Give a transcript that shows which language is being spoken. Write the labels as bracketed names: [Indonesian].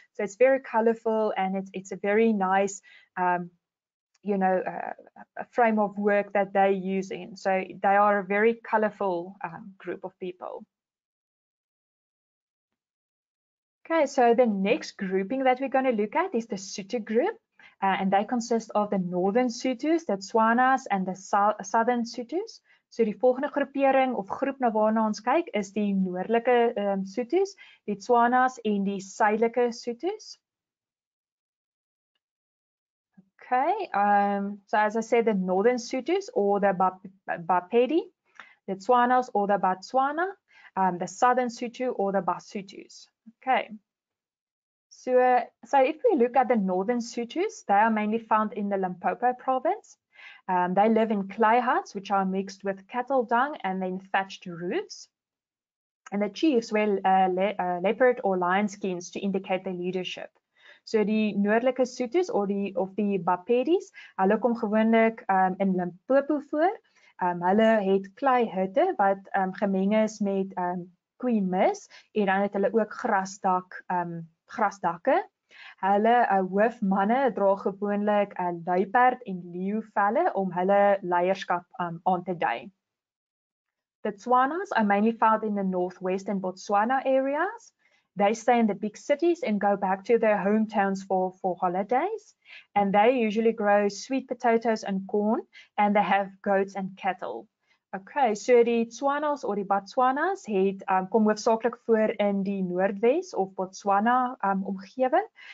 [English] So it's very colorful and it's a very nice, a frame of work that they use in. So they are a very colorful group of people. Okay, so the next grouping that we're going to look at is the Sotho group, and they consist of the Northern Sotho's, the Tswanas, and the Southern Sotho's. [Afrikaans] So die volgende groepering of groep na waarna ons kyk is die noordelike Sotho's, die Tswanas en die suidelike Sotho's. [English] Okay, so as I said, the Northern Sotho's or the Bapedi, the Tswanas or the Batswana, the Southern Sotho or the Basotho's. Okay, so if we look at the Northern Sotho's, they are mainly found in the Limpopo province. They live in clay huts, which are mixed with cattle dung and then thatched roofs. And the chiefs wear leopard or lion skins to indicate their leadership. [Afrikaans] So die noordelike Sotho's of die Bapedis, hulle kom gewoonlik in Limpopo voor. Hulle het klei hutte wat gemeng is met koei mis en dan het hulle ook grasdakke. Hulle hoofmanne dra gewoonlik 'n luiperd en leeu velle om hulle leierskap aan te dui. [English] The Tswanas are mainly found in the northwest and Botswana areas. They stay in the big cities and go back to their hometowns for holidays. And they usually grow sweet potatoes and corn, and they have goats and cattle. [Afrikaans] Okay, so die Tswanas or die Batswanas het kom hoofsaaklik voor in die Noordwes of Botswana omgewing.